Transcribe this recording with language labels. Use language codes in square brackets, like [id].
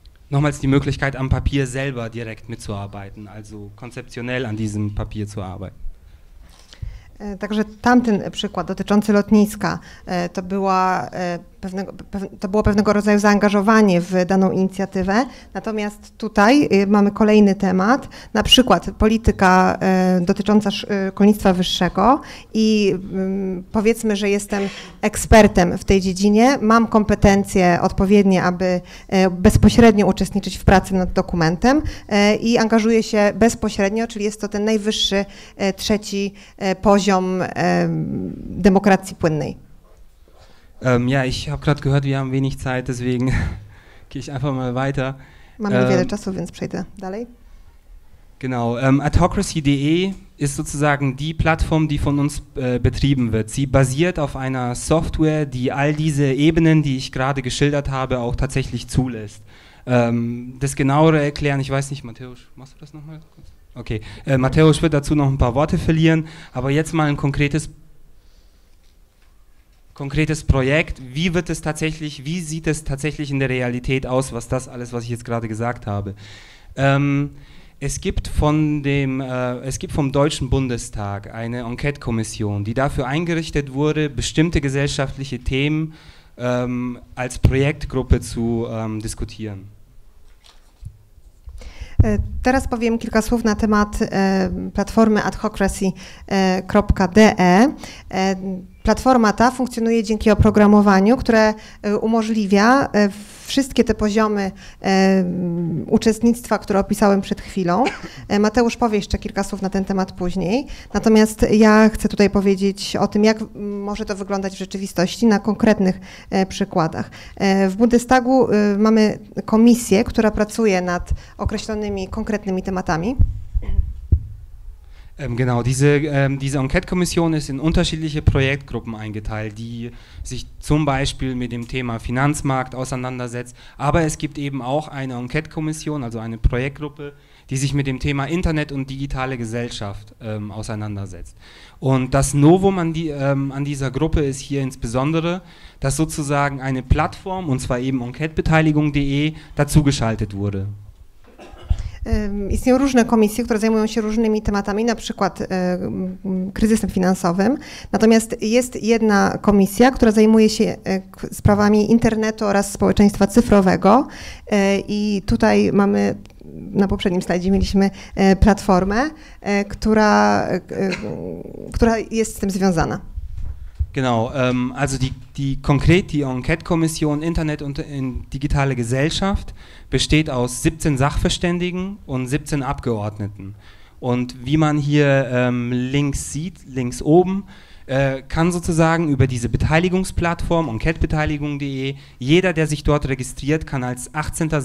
[de] nochmals die Möglichkeit, am Papier selber direkt mitzuarbeiten, also konzeptionell an diesem Papier zu arbeiten. [pl] Także tamten przykład dotyczący lotniska, to była to było pewnego rodzaju zaangażowanie w daną inicjatywę. Natomiast tutaj mamy kolejny temat, na przykład polityka dotycząca szkolnictwa wyższego i powiedzmy, że jestem ekspertem w tej dziedzinie, mam kompetencje odpowiednie, aby bezpośrednio uczestniczyć w pracy nad dokumentem i angażuję się bezpośrednio, czyli jest to ten najwyższy trzeci poziom demokracji płynnej. [de] Ja, ich habe gerade gehört, wir haben wenig Zeit, deswegen gehe ich einfach mal weiter. [pl] Mamy niewiele czasu, więc przejdę dalej. [de] Genau, adhocracy.de ist sozusagen die Plattform, die von uns betrieben wird. Sie basiert auf einer Software, die all diese Ebenen, die ich gerade geschildert habe, auch tatsächlich zulässt. Das genauere erklären, ich weiß nicht, Mateusz, machst du das nochmal kurz? Okay, Mateusz wird dazu noch ein paar Worte verlieren, aber jetzt mal ein konkretes Projekt, wie sieht es tatsächlich in der Realität aus, was das alles, was ich jetzt gerade gesagt habe. Es gibt vom Deutschen Bundestag eine Enquete-Kommission, die dafür eingerichtet wurde, bestimmte gesellschaftliche Themen als Projektgruppe zu diskutieren. [pl] Teraz powiem kilka słów na temat platformy adhocracy.de. Platforma ta funkcjonuje dzięki oprogramowaniu, które umożliwia wszystkie te poziomy uczestnictwa, które opisałem przed chwilą. Mateusz powie jeszcze kilka słów na ten temat później. Natomiast ja chcę tutaj powiedzieć o tym, jak może to wyglądać w rzeczywistości na konkretnych przykładach. W Bundestagu mamy komisję, która pracuje nad określonymi, konkretnymi tematami. [de] Genau, diese Enquete-Kommission ist in unterschiedliche Projektgruppen eingeteilt, die sich zum Beispiel mit dem Thema Finanzmarkt auseinandersetzt, aber es gibt eben auch eine Enquete-Kommission, also eine Projektgruppe, die sich mit dem Thema Internet und digitale Gesellschaft auseinandersetzt. Und das Novum an dieser Gruppe ist hier insbesondere, dass sozusagen eine Plattform, und zwar eben enquetebeteiligung.de, dazugeschaltet wurde. [pl] Istnieją różne komisje, które zajmują się różnymi tematami, na przykład kryzysem finansowym. Natomiast jest jedna komisja, która zajmuje się sprawami internetu oraz społeczeństwa cyfrowego. I tutaj mamy, na poprzednim slajdzie mieliśmy platformę, która jest z tym związana. [de] Genau, also die Enquete-Kommission Internet und in digitale Gesellschaft besteht aus 17 Sachverständigen und 17 Abgeordneten. Und wie man hier links sieht, links oben, kann sozusagen über diese Beteiligungsplattform enquetebeteiligung.de jeder, der sich dort registriert, kann als 18.